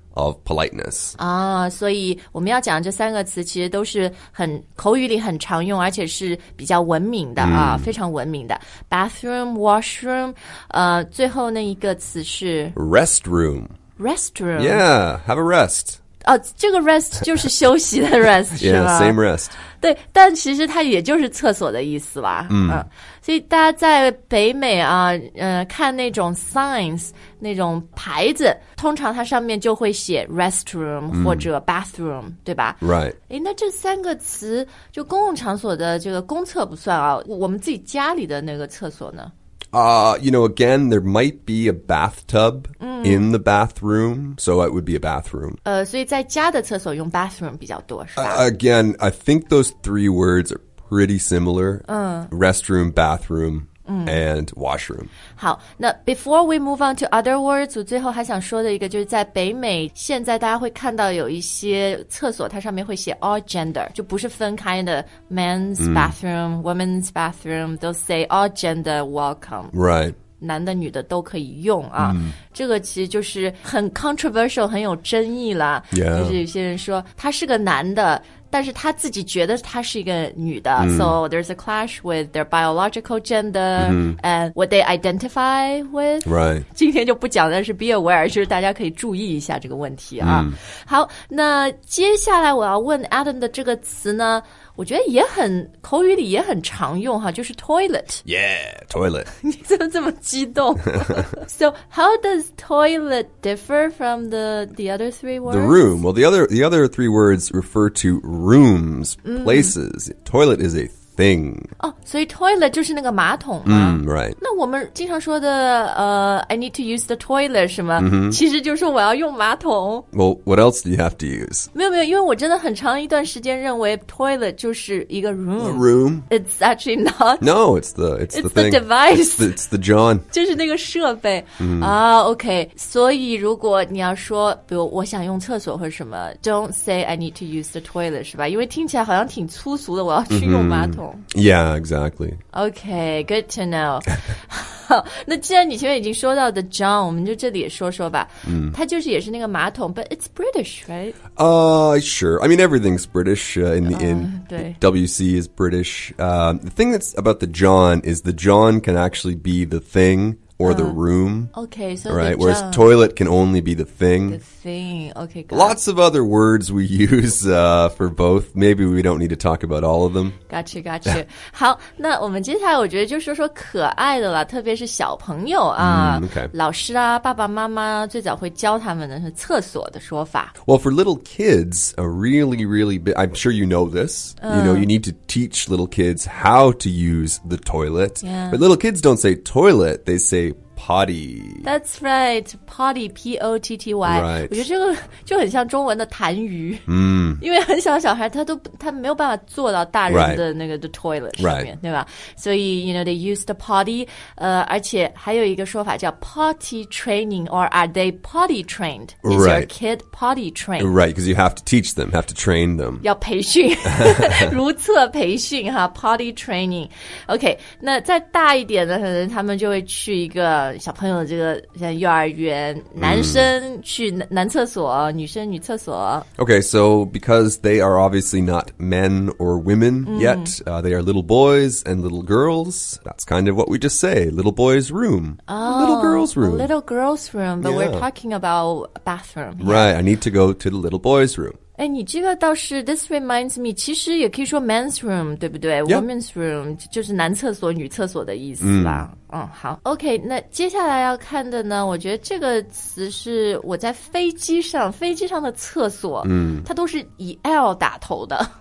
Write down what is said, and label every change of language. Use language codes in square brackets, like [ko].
[en] Of politeness. [zh] 所以我们要讲这三个词其实都是很口语里很常用而且是比较文明的、非常文明的 Bathroom, washroom, 最后那一个词是 [en] Restroom. Restroom. Yeah, have a rest. [zh] 这个 rest 就是休息的 rest, 是吧 [en] Yeah, same rest. [zh] 对，但其实它也就是厕所的意思吧。所以大家在北美啊，看那种 signs 那种牌子，通常它上面就会写 restroom 或者 bathroom，对吧 [en] ？Right。 [zh] 哎，那这三个词就公共场所的这个公厕不算啊，我们自己家里的那个厕所呢？ [en] You know, again, there might be a bathtub in the bathroom, so it would be a bathroom. [zh] 所以在家的厕所用 bathroom 比较多，是吧 [en] ？Again, I think those three words are. Pretty similar, restroom, bathroom, and washroom. [zh] 好，那 [en] before we move on to other words, [zh] 我最后还想说的一个就是在北美，现在大家会看到有一些厕所，它上面会写 all gender, 就不是分开的 men's bathroom, women's bathroom, [en] they'll say all gender welcome. Right. [zh] 男的女的都可以用啊、这个其实就是很 controversial 很有争议了、 [en] yeah. [zh] 就是有些人说他是个男的但是她自己觉得她是一个女的、mm. [en] So there's a clash with their biological gender、mm-hmm. And what they identify with Right [zh] 今天就不讲但是 [en] be aware [zh] 就是大家可以注意一下这个问题啊、mm. 好那接下来我要问 Adam 的这个词呢我觉得也很口语里也很常用哈就是 toilet [en] Yeah, toilet [zh] 你怎么这么激动 [en] So how does toilet differ from the other three words? The room, well the other three words refer to rooms, places、mm. Toilet is a thing [zh] 哦、oh, 所以 toilet 就是那个马桶吗、 [en] mm, Right [zh] 那我们经常说的 [en] I need to use the toilet [zh] 是吗、mm-hmm. 其实就是我要用马桶 [en] Well, what else do you have to use? 没有没有因为我真的很长一段时间认为 toilet 就是一个 room A room? It's actually not No, it's the thing It's the device It's the john [zh] 就是那个设备啊、mm. OK 所以如果你要说比如我想用厕所或什么 [en] Don't say I need to use the toilet [zh] 是吧因为听起来好像挺粗俗的我要去用马桶、mm-hmm. [en] Yeah, exactly. Okay, good to know. [zh] 那既然你前面已经说到的 John, 我们就这里也说说吧。他、mm. 就是也是那个马桶 [en] but it's British, right? Sure. I mean, everything's British in WC is British. The thing that's about the John is the John can actually be the thing or the room. Okay, so right? the John. Whereas toilet can only be the thing. Okay, gotcha. Lots of other words we use for both. Maybe we don't need to talk about all of them. Gotcha, gotcha. [zh] 好，那我们接下来我觉得就说说可爱的了，特别是小朋友啊， [en] okay. [zh] 老师啊，爸爸妈妈最早会教他们的是厕所的说法。 [en] Well, for little kids, a really, really big, I'm sure you know this. You know, you need to teach little kids how to use the toilet. Yeah. But little kids don't say toilet, they say potty. That's right, potty, P-O-T-T-Y. Right. [zh] 我觉得这个就很像中文的痰盂。嗯。因为很小的小孩他没有办法坐到大人的那个 the toilet 上面、 [en] right. [zh] 对吧所以 [en] you know, they use the potty, [zh] 而且还有一个说法叫 [en] potty training, or are they potty trained? Is right. your kid potty trained? Right, because you have to teach them, have to train them. [zh] 要培训。如厕培训哈 potty training. Okay, 那再大一点的可能他们就会去一个小朋友的这个像幼儿园男生去男厕所、mm. 女生女厕所 [en] Okay, so because they are obviously not men or women yet、mm. They are little boys and little girls That's kind of what we just say Little boys room、 oh, Little girls room Little girls room But、yeah. we're talking about bathroom、 yeah. Right, I need to go to the little boys room [zh] 哎，你这个倒是 ， [en] this reminds me， [zh] 其实也可以说 men's room， 对不对、 [en] yep. [zh] ？Women's room 就是男厕所、女厕所的意思吧？ Mm. 嗯，好 ，OK， 那接下来要看的呢，我觉得这个词是我在飞机上的厕所， mm. 它都是以 L 打头的。